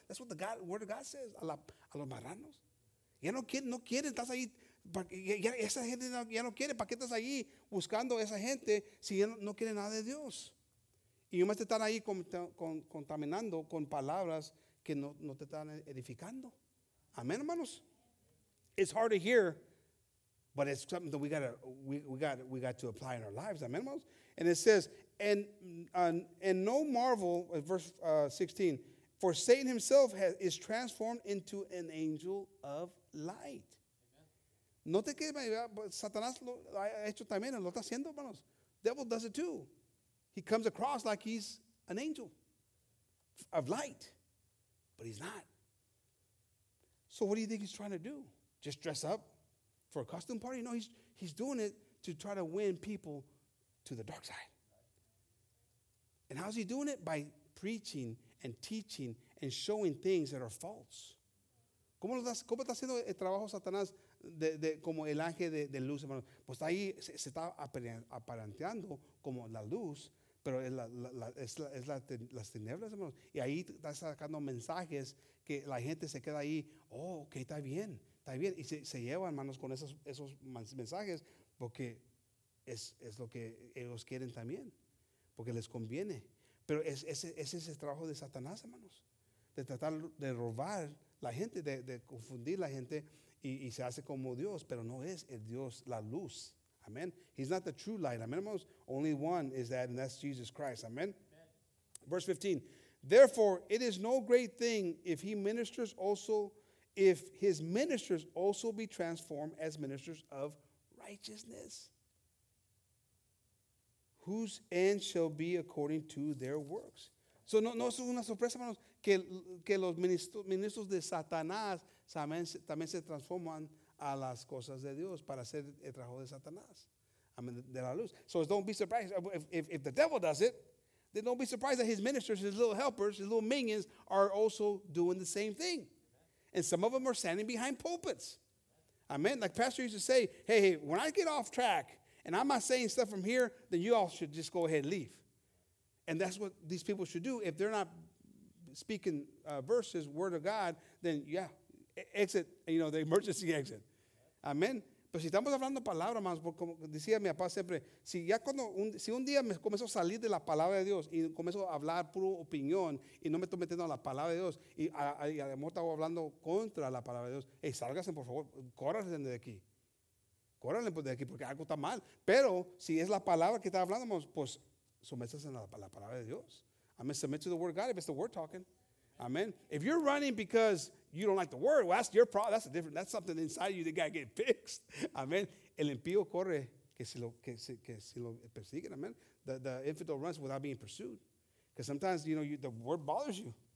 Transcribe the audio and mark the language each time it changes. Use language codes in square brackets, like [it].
[en] That's what the word of God says, [es] a los marranos. Ya no quieren, estás ahí, esa gente ya no quiere, ¿para qué estás ahí buscando a esa gente si ya no quiere nada de Dios? Y yo más te están ahí contaminando con palabras que no te están edificando. Amén, hermanos. [en] It's hard to hear. But it's something that we got to apply in our lives. Amen, hermanos? And it says, and no marvel, verse 16, for Satan himself is transformed into an angel of light. [es] No te quedes, Satanás lo ha hecho también, lo está haciendo, hermanos. [en] Devil does it too. He comes across like he's an angel of light, but he's not. So what do you think he's trying to do? Just dress up? For a costume party? No, he's doing it to try to win people to the dark side. And how's he doing it? By preaching and teaching and showing things that are false. [es] ¿Cómo está haciendo el trabajo Satanás de como el ángel de luz, hermano? Pues ahí se está aparentando como la luz, Pero es las tinieblas, hermanos. Y ahí está sacando mensajes que la gente se queda ahí. Oh, ok, está bien. Y se llevan, hermanos, con esos mensajes porque es lo que ellos quieren también. Porque les conviene. Pero ese es el trabajo de Satanás, hermanos. De tratar de robar la gente, de confundir la gente. Y se hace como Dios, pero no es el Dios, la luz. [en] Amen. He's not the true light. Amen. Only one is that, and that's Jesus Christ. Amen. Verse 15. Therefore, it is no great thing if his ministers also be transformed as ministers of righteousness, whose end shall be according to their works. [es] So no es una sorpresa, hermanos, que los ministros de Satanás también se transforman a las cosas de Dios para hacer el trabajo de Satanás, de la luz. [en] So don't be surprised. If the devil does it, then don't be surprised that his ministers, his little helpers, his little minions are also doing the same thing. And some of them are standing behind pulpits. Amen. Like Pastor used to say, hey, when I get off track and I'm not saying stuff from here, then you all should just go ahead and leave. And that's what these people should do. If they're not speaking verses, word of God, then yeah, exit, you know, the emergency exit. Amen. [es] Pero si estamos hablando palabra, más, como decía mi papá siempre, si un día me comienzo a salir de la palabra de Dios y comienzo a hablar puro opinión y no me estoy metiendo a la palabra de Dios y además estaba hablando contra la palabra de Dios, hey, sálgase, por favor, córranle de aquí porque algo está mal. Pero si es la palabra que está hablando, más, pues sométase a la palabra de Dios. [en] Amen. Submit to the word of God if it's the word talking. Amen. If you're running because you don't like the word, well, that's your problem. That's something inside of you that got to get fixed. [es] Amen. El impío corre que si lo persiguen. Amen. [en] The infidel runs without being pursued. Because sometimes, you know, the word bothers you.